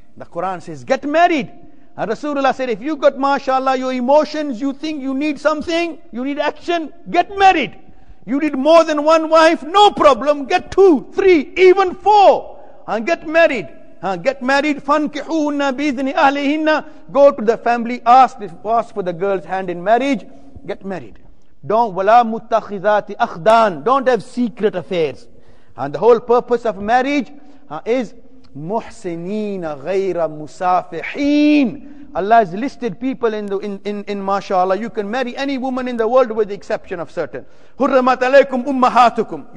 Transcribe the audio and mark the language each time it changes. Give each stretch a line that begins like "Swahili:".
English: The Quran says, get married. And Rasulullah said, if you got, mashallah, your emotions, you think you need something, you need action, get married. You need more than one wife, no problem. Get 2, 3, even 4. And get married. Get married.
Arabic: فَانْكِحُوهُنَّ بِإِذْنِ أَهْلِهِنَّ.
English: Go to the family, ask for the girl's hand in marriage. Get married.
Arabic: Don't وَلَا مُتَّخِذَاتِ أَخْدَانِ.
English: Don't have secret affairs. And the whole purpose of marriage is
Arabic: مُحْسِنِينَ غَيْرَ مُسَافِحِينَ.
English: Allah has listed people in mashallah. You can marry any woman in the world with the exception of certain.
Arabic: حُرَّمَتْ عَلَيْكُمْ أُمَّهَاتُكُمْ.